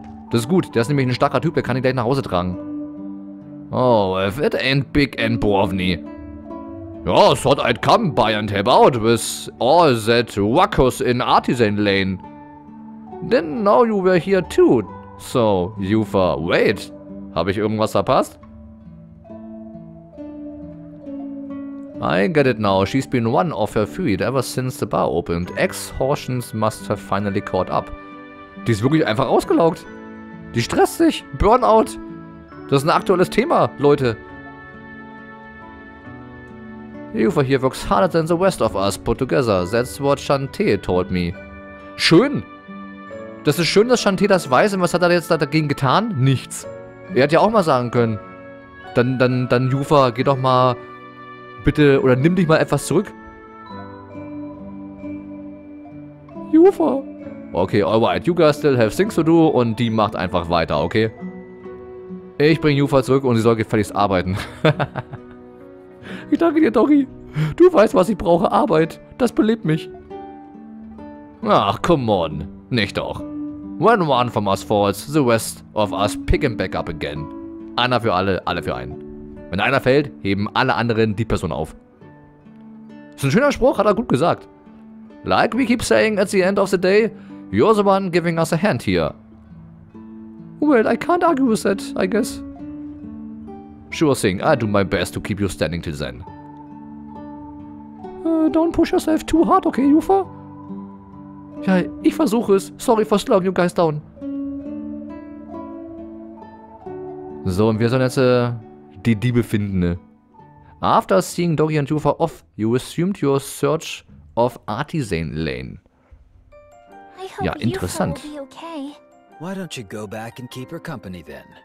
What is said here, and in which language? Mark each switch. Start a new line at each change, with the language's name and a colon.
German: Das ist gut, der ist nämlich ein starker Typ, der kann ihn gleich nach Hause tragen.
English: Oh, if it ain't Big and Brovny. Ja, thought I'd come by and help out with all that ruckus in Artisan Lane. Then now you were here too. So, Yufa, wait.
German: Habe ich irgendwas verpasst?
English: I get it now. She's been one of her feet ever since the bar opened. Exhaustions must have finally caught up.
German: Die ist wirklich einfach ausgelaugt. Die stresst sich. Burnout. Das ist ein aktuelles Thema, Leute.
English: Yufa here works harder than the rest of us put together. That's what Shantae told me.
German: Schön. Das ist schön, dass Shantae das weiß. Und was hat er jetzt dagegen getan? Nichts. Er hätte ja auch mal sagen können, dann Jufa, geh doch mal bitte oder nimm dich mal etwas zurück. Jufa.
English: Okay, alright, you guys still have things to do
German: und die macht einfach weiter,
English: okay?
German: Ich bring Jufa zurück und sie soll gefälligst arbeiten. Ich danke dir, Dori. Du weißt, was ich brauche, Arbeit. Das belebt mich. Ach,
English: come on.
German: Nicht doch.
English: When one from us falls, the rest of us pick him back up again.
German: Einer für alle, alle für einen. Wenn einer fällt, heben alle anderen die Person auf. Ist ein schöner Spruch, hat er gut gesagt.
English: Like we keep saying at the end of the day, you're the one giving us a hand here. Well, I can't argue with that, I guess. Sure thing, I do my best to keep you standing till then. Don't push yourself too hard, okay, Jufa?
German: Ja, ich versuche es.
English: Sorry for slowing you guys down.
German: So, und wir sollen jetzt die Diebe finden.
English: After seeing Dori and Jufa off, you resumed your search of Artisan Lane.
German: Ja, interessant. Okay.
English: Why don't you go back and keep her company then?